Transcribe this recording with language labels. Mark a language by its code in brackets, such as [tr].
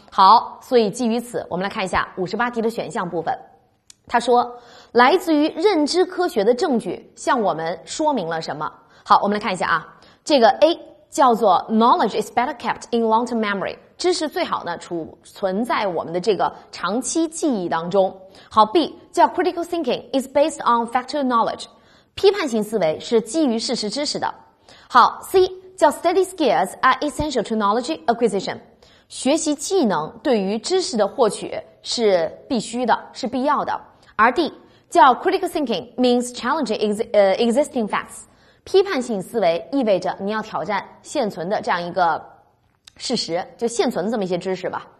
[zh] 好，所以基于此我们来看一下58题的选项部分。他说来自于认知科学的证据向我们说明了什么。好，我们来看一下啊，这个 A 叫做 [en] knowledge is better kept in long-term memory， [zh] 知识最好呢储存在我们的这个长期记忆当中。 [en] 好， B 叫 critical thinking is based on factual knowledge， [zh] 批判性思维是基于事实知识的。 [en] 好， C 叫 study skills are essential to knowledge acquisition， [zh] 学习技能对于知识的获取是必须的，是必要的。而 D 叫 [en] critical thinking means challenging existing facts， [zh] 批判性思维意味着你要挑战现存的这样一个事实，就现存的这么一些知识吧。